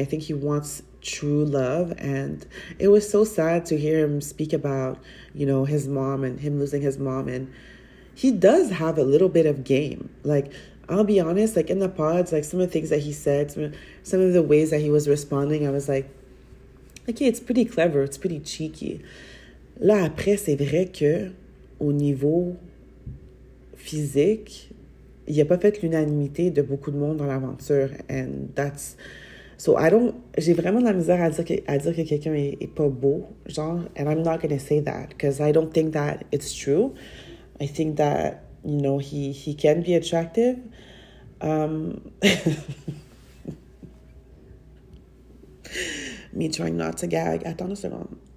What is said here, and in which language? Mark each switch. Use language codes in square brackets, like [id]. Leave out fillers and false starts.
[en] I think he wants true love. And it was so sad to hear him speak about, you know, his mom and him losing his mom. And he does have a little bit of game. Like, I'll be honest, like, in the pods, like, some of the things that he said, some of the ways that he was responding, I was like, okay, it's pretty clever. It's pretty cheeky. [fr] Là, après, c'est vrai que au niveau physique, il a pas fait l'unanimité de beaucoup de monde dans l'aventure. [en] And that's... So I don't... [fr] J'ai vraiment de la misère à dire que quelqu'un est pas beau, genre. [en] And I'm not gonna say that because I don't think that it's true. I think that, you know, he can be attractive. Me trying not to gag. [fr] Attends une seconde.